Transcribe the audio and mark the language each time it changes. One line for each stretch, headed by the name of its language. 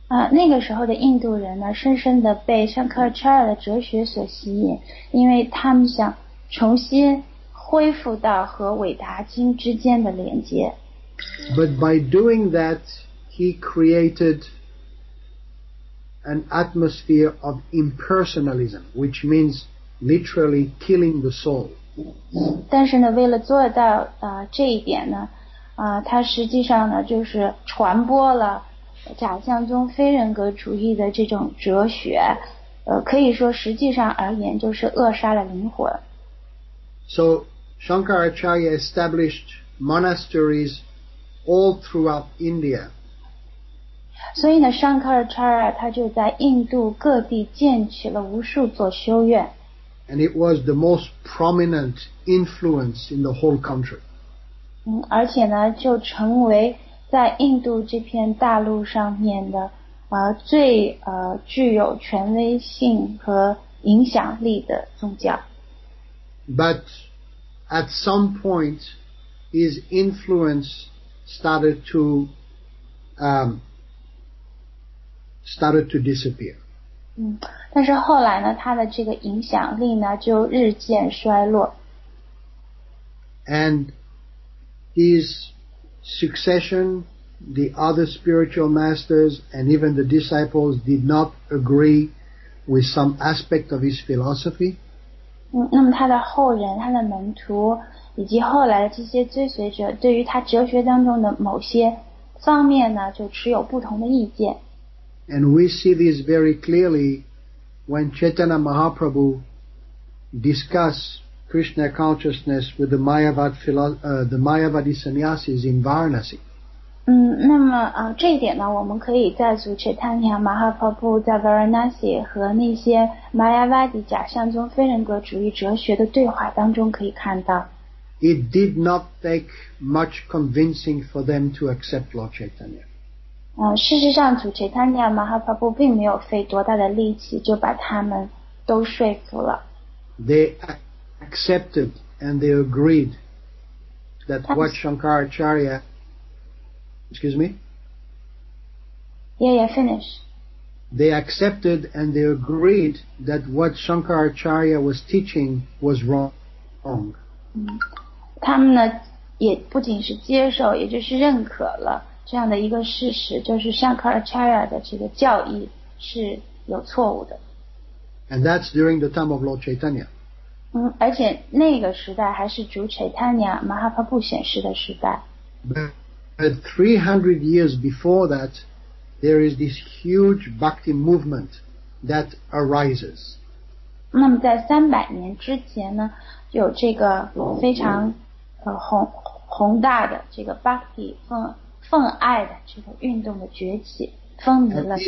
Chinese: 那个时候的印度人呢，深深地被香克查尔的哲学所吸引，因为他们想重新恢复到和伟达经之间的连接。
English: But by doing that, he created an atmosphere of impersonalism, which means literally killing the soul.
Chinese: 但是呢，为了做到这一点呢，他实际上呢，就是传播了假象中非人格主义的这种哲学，可以说实际上而言就是扼杀了灵魂。
English: So Shankaracharya established monasteries all throughout India.
Chinese: 所以呢 ，Shankaracharya 他就在印度各地建起了无数座修院。
English: And it was the most prominent influence in the whole country.
Chinese: 而且呢，就成为在印度这片大陆上面的最具有权威性和影响力的宗教。
English: But at some point, his influence started to disappear.
Chinese: 但是后来呢，他的这个影响力呢就日渐衰落。
English: And his succession, the other spiritual masters and even the disciples did not agree with some aspect of his philosophy.
Chinese: 那么他的后人，他的门徒，以及后来这些追随者，对于他哲学当中的某些方面呢，就持有不同的意见。
English: And we see this very clearly when Chaitanya Mahaprabhu discussed Krishna consciousness with the Mayavadi sannyasis in Varanasi.
Chinese: 那么这一点呢，我们可以在祖师坦尼亚马哈帕布在 Varanasi 和那些 Mayavadi 假象中非人格主义哲学的对话当中可以看到。
English: It did not take much convincing for them to accept Lord Chaitanya.
Chinese: 事实上，祖师坦尼亚马哈帕布并没有费多大的力气就把他们都说服了。
English: They accepted and they agreed that what Shankaracharya, excuse me? Yeah, finish. They accepted and they agreed that what Shankaracharya was teaching was wrong.
Chinese: 他们呢也不仅是接受，也就是认可了这样的一个事实，就是 Shankaracharya 的这个教义是有错误的。
English: And that's during the time of Lord Chaitanya.
Chinese: 而且那个时代还是主 Chaitanya Mahaprabhu 显示的时代。
English: But 300 years before that, there is this huge bhakti movement that arises.
Chinese: 那么在300年之前呢，有这个非常宏大的这个 bhakti 奉爱的这个运动的崛起，风靡了。